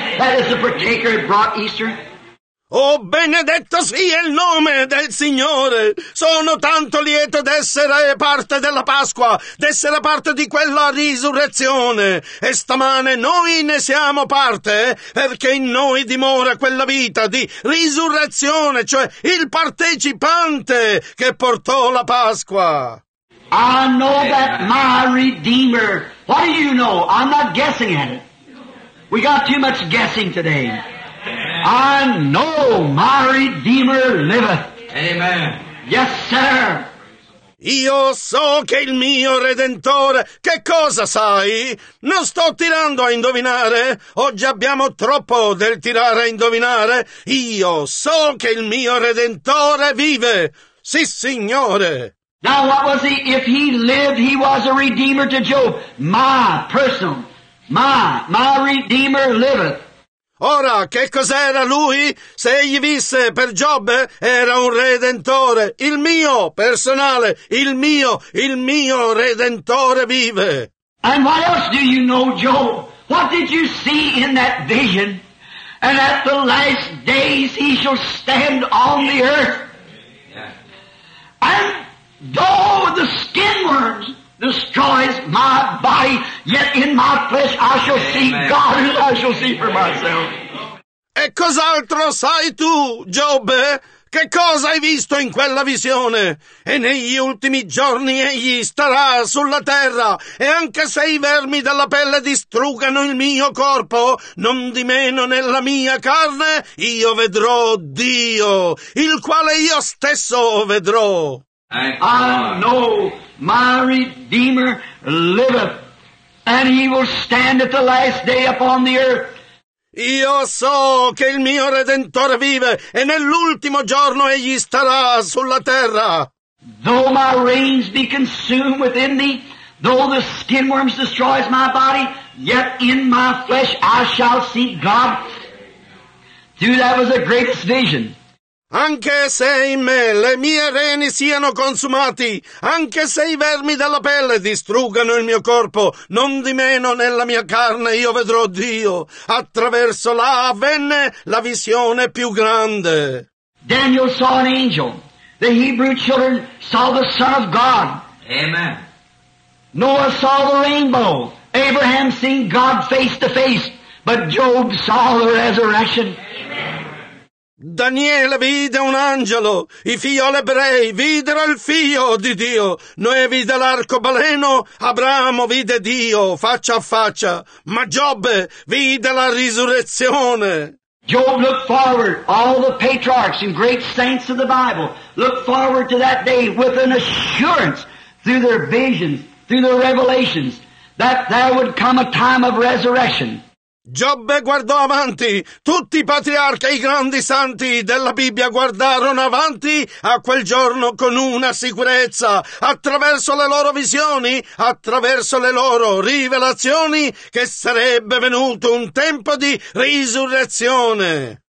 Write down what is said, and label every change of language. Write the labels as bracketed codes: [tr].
[en] That is the partaker that brought Easter. [it] Oh, benedetto sia il nome del Signore! Sono tanto lieto d'essere parte della Pasqua, d'essere parte di quella risurrezione. E stamane noi ne siamo parte, perché in noi dimora quella vita di risurrezione, cioè il partecipante che portò la Pasqua. [en] I know that my Redeemer. What do you know? I'm not guessing at it. We got too much guessing today. I know my Redeemer liveth. Amen. Yes, sir. [it] Io so che il mio Redentore, che cosa sai? Non sto tirando a indovinare. Oggi abbiamo troppo del tirare a indovinare. Io so che il mio Redentore vive. Sì, Signore. [en] Now, what was he? If he lived, he was a Redeemer to Job. My person. My Redeemer liveth. [it] Ora, che cos'era lui? Se egli visse per Giobbe, era un Redentore. Il mio personale, il mio Redentore vive. [en] And what else do you know, Job? What did you see in that vision? And at the last days he shall stand on the earth. And though the skin worms destroys my body, yet in my flesh I shall see God as I shall see for myself. [it] E cos'altro sai tu, Giobbe? Che cosa hai visto in quella visione? E negli ultimi giorni egli starà sulla terra, e anche se i vermi della pelle distruggano il mio corpo, non di meno nella mia carne io vedrò Dio, il quale io stesso vedrò. [en] I know my Redeemer liveth, and he will stand at the last day upon the earth. [it] Io so che il mio Redentore vive, e nell'ultimo giorno egli starà sulla terra. [en] Though my reins be consumed within me, though the skin worms destroys my body, yet in my flesh I shall see God. Dude, that was the greatest vision. [it] Anche se in me le mie reni siano consumati, anche se i vermi della pelle distruggano il mio corpo, non di meno nella mia carne io vedrò Dio. Attraverso là avvenne la visione più grande. [en] Daniel saw an angel. The Hebrew children saw the Son of God. Amen. Noah saw the rainbow. Abraham seen God face to face. But Job saw the resurrection. [it] Daniele vide un angelo, i figlioli ebrei videro il figlio di Dio, Noè vide l'arcobaleno, Abramo vide Dio faccia a faccia, ma Giobbe vide la risurrezione. [en] Job looked forward, all the patriarchs and great saints of the Bible looked forward to that day with an assurance through their visions, through their revelations, that there would come a time of resurrection. [it] Giobbe guardò avanti, tutti i patriarchi e i grandi santi della Bibbia guardarono avanti a quel giorno con una sicurezza, attraverso le loro visioni, attraverso le loro rivelazioni, che sarebbe venuto un tempo di risurrezione.